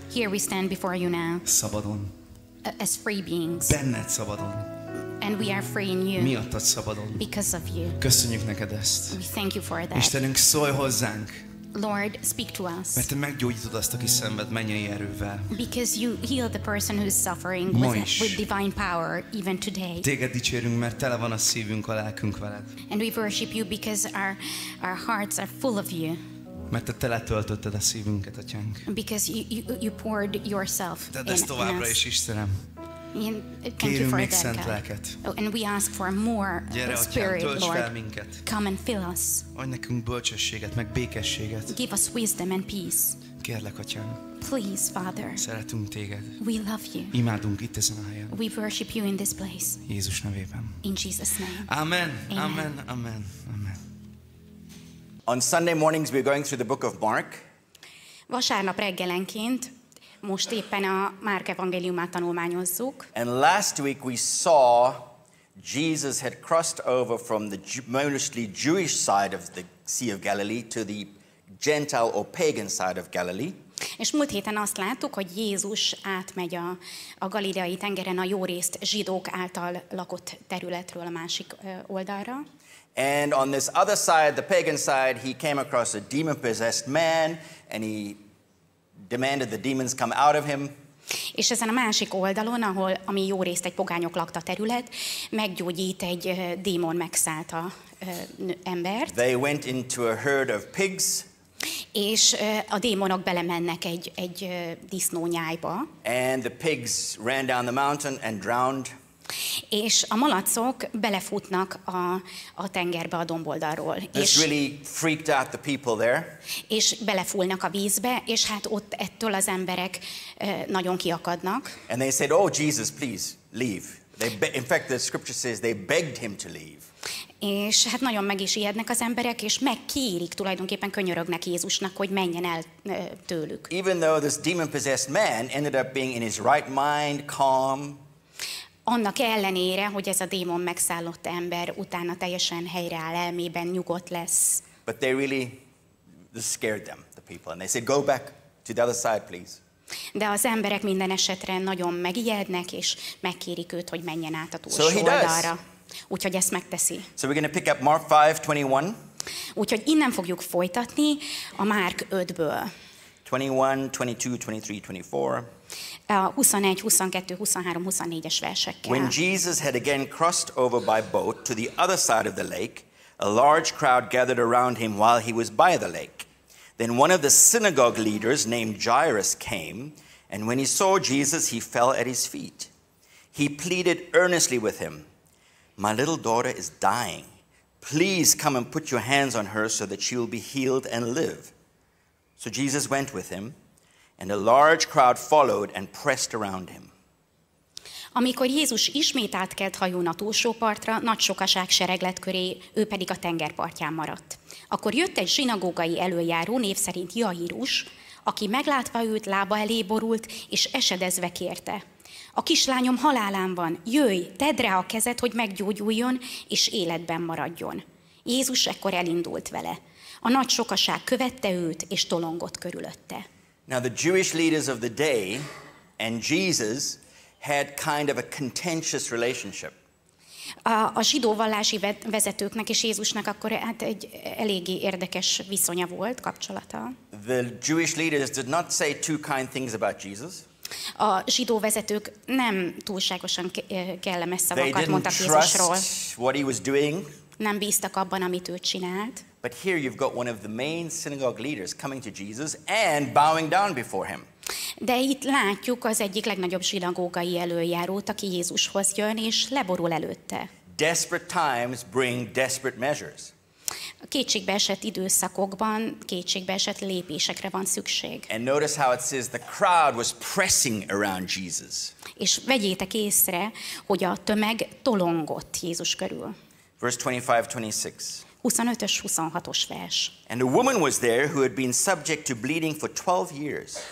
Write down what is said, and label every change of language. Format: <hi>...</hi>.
<en>Here we stand before you now.</en> <hu>Szabadon.</hu> <en>As free beings.</en> <hu>Benned szabadon.</hu> <en>And we are free in you.</en> <hu>Miattad szabadon.</hu> <en>Because of you.</en> <hu>Köszönjük neked ezt.</hu> <en>We thank you for that.</en> <hu>Istenünk, szólj hozzánk.</hu> <en>Lord, speak to us.</en> <hu>Mert te meggyógyítod azt, aki szenved mennyei erővel.</hu> <en>Because you heal the person who is suffering with divine power even today.</en> <hu>Téged dicsérünk, mert tele van a szívünk, a lelkünk veled.</hu> <en>And we worship you because our hearts are full of you.</en> <hu>Mert te tele töltötted a szívünket, atyánk.</hu> <en>Because you poured yourself in us.</en> <hu>Tedd ezt továbbra is, Istenem. Kérünk még szent lelket.</hu> <en>And we ask for more spirit, Lord. Come and fill us.</en> <hu>Adj nekünk bölcsességet, meg békességet.</hu> <en>Give us wisdom and peace.</en> <hu>Kérlek, atyám.</hu> <en>Please, Father.</en> <hu>Szeretünk téged.</hu> <en>We love you.</en> <hu>Imádunk itt ezen a helyen.</hu> <en>We worship you in this place.</en> <hu>Jézus nevében.</hu> <en>In Jesus' name. Amen. Amen. Amen. Amen. On Sunday mornings we're going through the book of Mark.</en> <hu>Vasárnap reggelenként. Most éppen a Márk Evangéliumát tanulmányozzuk.</hu> <en>And last week we saw Jesus had crossed over from the mostly Jewish side of the Sea of Galilee to the Gentile or pagan side of Galilee.</en> <hu>És múlt héten azt láttuk, hogy Jézus átmegy a Galileai tengeren a jó részt zsidók által lakott területről a másik oldalra.</hu> <en>And on this other side, the pagan side, he came across a demon-possessed man and he demanded the demons come out of him.</en> <hu>És ezen a másik oldalon, ahol ami jó részt egy pogányok lakta terület, meggyógyít egy démon megszállta embert.</hu> <en>They went into a herd of pigs.</en> <hu>és a démonok belemennek egy disznónyájba.</hu> <en>And the pigs ran down the mountain and drowned.</en> <hu>És a malacok belefutnak a tengerbe a domboldalról.</hu> <en>This really freaked out the people there.</en> <hu>És belefullnak a vízbe, és hát ott ettől az emberek nagyon kiakadnak.</hu> <en>And they said, "Oh Jesus, please leave." In fact, the scripture says they begged him to leave.</en> <hu>És hát nagyon meg is ijednek az emberek, és megkérik tulajdonképpen, könyörögnek Jézusnak, hogy menjen el tőlük.</hu> <en>Even though this demon-possessed man ended up being in his right mind, calm.</en> <hu>Annak ellenére, hogy ez a démon megszállott ember utána teljesen helyreáll elmében, nyugodt lesz.</hu> <en>But they really scared them, the people, and they said, "Go back to the other side, please."</en> <hu>De az emberek minden esetre nagyon megijednek, és megkérik őt, hogy menjen át a túlsó oldalra. Úgyhogy ezt megteszi.</hu> <en>So we're going to pick up Mark 5:21.</en> <hu>Úgyhogy innen fogjuk folytatni a Márk 5-ből.</hu> <en>21, 22, 23, 24.</en> <hu>21, 22, 23, 24-es versekkel.</hu> <en>When Jesus had again crossed over by boat to the other side of the lake, a large crowd gathered around him while he was by the lake. Then one of the synagogue leaders named Jairus came, and when he saw Jesus, he fell at his feet. He pleaded earnestly with him, "My little daughter is dying. Please come and put your hands on her so that she will be healed and live." So Jesus went with him, and a large crowd followed and pressed around him.</en> <hu>Amikor Jézus ismét átkelt hajón a túlsó partra, nagy sokaság sereglett köré, ő pedig a tengerpartján maradt. Akkor jött egy zsinagógai előjáró, név szerint Jairus, aki meglátva őt lába elé borult, és esedezve kérte: "A kislányom halálán van, jöjj, tedd rá a kezed, hogy meggyógyuljon, és életben maradjon." Jézus ekkor elindult vele. A nagy sokaság követte őt, és tolongott körülötte.</hu> <en>Now the Jewish leaders of the day and Jesus had kind of a contentious relationship.</en> <hu>A zsidó vallási vezetőknek és Jézusnak akkor hát egy eléggé érdekes viszonya volt, kapcsolata.</hu> <en>The Jewish leaders did not say too kind things about Jesus.</en> <hu>A zsidó vezetők nem túlságosan kellemes szavakat mondtak Jézusról.</hu> <en>They didn't trust what he was doing.</en> <hu>Nem bíztak abban, amit ő csinált.</hu> <en>But here you've got one of the main synagogue leaders coming to Jesus and bowing down before him.</en> <hu>De itt látjuk az egyik legnagyobb zsinagógai előjárót, aki Jézushoz jön és leborul előtte.</hu> <en>Desperate times bring desperate measures.</en> <hu>A kétségbeesett időszakokban kétségbeesett lépésekre van szükség.</hu> <en>And notice how it says the crowd was pressing around Jesus.</en> <hu>És vegyétek észre, hogy a tömeg tolongott Jézus körül.</hu> <en>Verse 25-26.</en> <hu>25-ös, 26-os vers.</hu> <en>And a woman was there who had been subject to bleeding for 12 years.</en>